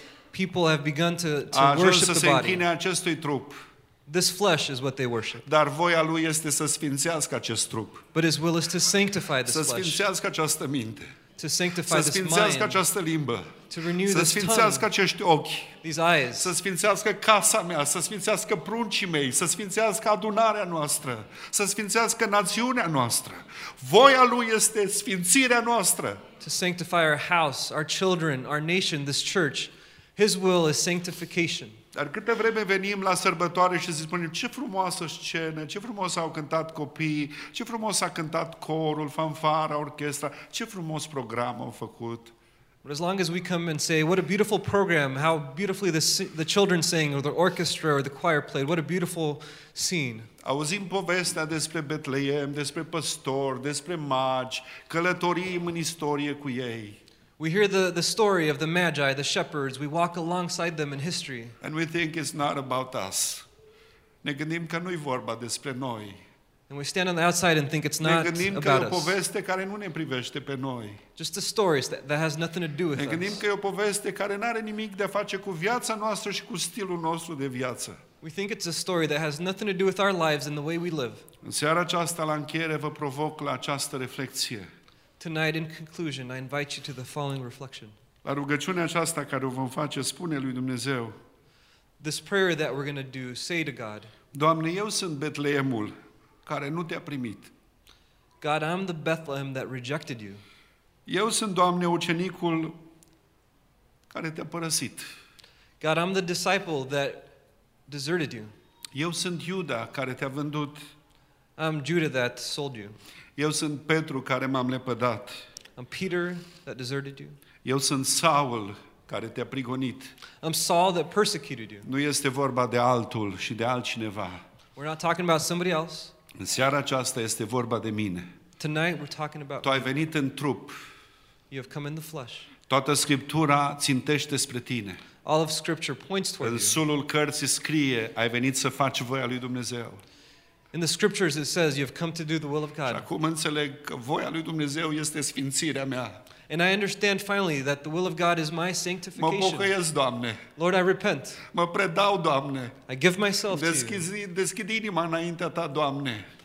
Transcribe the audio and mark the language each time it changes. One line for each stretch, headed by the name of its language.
English: People have begun to worship
Romanian: să
English: the
Romanian: se închine acestui trup.
English: This flesh is what they worship.
Romanian: Dar voia lui este să sfințească acest trup.
English: But his will is to sanctify this flesh.
Romanian: Să sfințească această minte.
English: To sanctify this mind.
Romanian: Să sfințească această limbă.
English: To renew this tongue.
Romanian: Să sfințească acești ochi.
English: These eyes.
Romanian: Să sfințească casa mea, să sfințească pruncii mei, să sfințească adunarea noastră, să sfințească națiunea noastră. Voia lui este sfințirea noastră.
English: To sanctify our house, our children, our nation, this church. His will is sanctification.
Romanian: Dar câte vreme venim la sărbătoare și spunem ce frumoasă scenă, ce frumos au cântat copiii, ce frumos a cântat corul, fanfara, orchestra, ce frumos program au făcut.
English: But as long as we come and say what a beautiful program, how beautifully the children sang or the orchestra or the choir played, what a beautiful scene.
Romanian: Auzim povestea despre Betleem, despre păstori, despre magi, călătorim în istorie cu ei.
English: We hear the story of the Magi, the shepherds. We walk alongside them in history. And we think it's not about us.
Romanian: Ne gândim că nu-i vorba despre noi.
English: And we stand on the outside and think it's not about us.
Romanian: Ne gândim că e o poveste care nu ne privește pe noi.
English: Just a story that has nothing to do with us.
Romanian: Ne gândim că e o poveste care n-are nimic de a face cu viața noastră și cu stilul nostru de viață.
English: We think it's a story that has nothing to do with our lives and the way we live.
Romanian: În seara aceasta, la încheiere, vă provoc la această reflexie.
English: Tonight, in conclusion, I invite you to the following reflection.
Romanian: La rugăciunea aceasta care o vom face, spune lui Dumnezeu.
English: This prayer that we're going to do, say to God.
Romanian: Doamne, eu sunt Betleemul care nu te-a primit.
English: God, I'm the Bethlehem that rejected you.
Romanian: Eu sunt, Doamne, ucenicul care te-a părăsit.
English: God, I'm the disciple that deserted you.
Romanian: Eu sunt Iuda care te-a vândut.
English: I'm Judah that sold you.
Romanian: Eu sunt Petru care m-am lepădat.
English: I'm Peter that deserted you.
Romanian: Eu sunt Saul care te-a prigonit.
English: I'm Saul that persecuted you.
Romanian: Nu este vorba de altul și de altcineva.
English: We're not talking about somebody else.
Romanian: În seara aceasta este vorba de mine.
English: Tonight we're talking about
Romanian: Tu ai venit în trup.
English: You have come in the flesh.
Romanian: Toată Scriptura țintește spre tine.
English: All of Scripture points toward you.
Romanian: În sulul cărții scrie, ai venit să faci voia lui Dumnezeu.
English: In the scriptures it says you have come to do the will of God.
Romanian: Și acum înțeleg că voia lui Dumnezeu este sfințirea mea.
English: And I understand finally that the will of God is my sanctification.
Romanian: Mă pocăiesc, Doamne.
English: Lord, I repent.
Romanian: Mă predau, Doamne.
English: I give myself
Romanian: deschizi,
English: to you.
Romanian: Deschid inima înaintea ta, Doamne.